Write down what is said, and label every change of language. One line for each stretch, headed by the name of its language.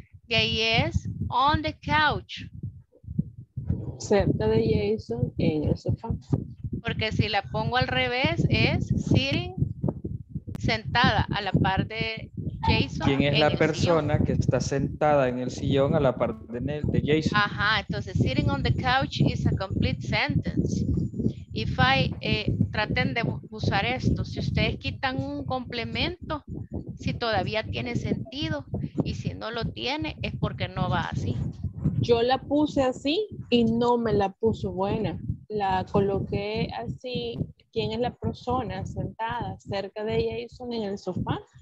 Spanish: De ahí es
English: on the couch.
Spanish: Cerca de Jason en el sofá. Porque si la pongo al revés es sitting, sentada a la par de Jason. ¿Quién es la persona sillón? Que está sentada en el sillón a la par de Jason. Ajá, entonces
English: sitting on the couch is a complete sentence. If I,
Spanish: traten de usar esto, si ustedes quitan un complemento, si todavía tiene sentido y si no lo tiene es porque no va así. Yo la puse así y no me la puso buena. La coloqué así, ¿quién es la persona sentada cerca de Jason en el sofá?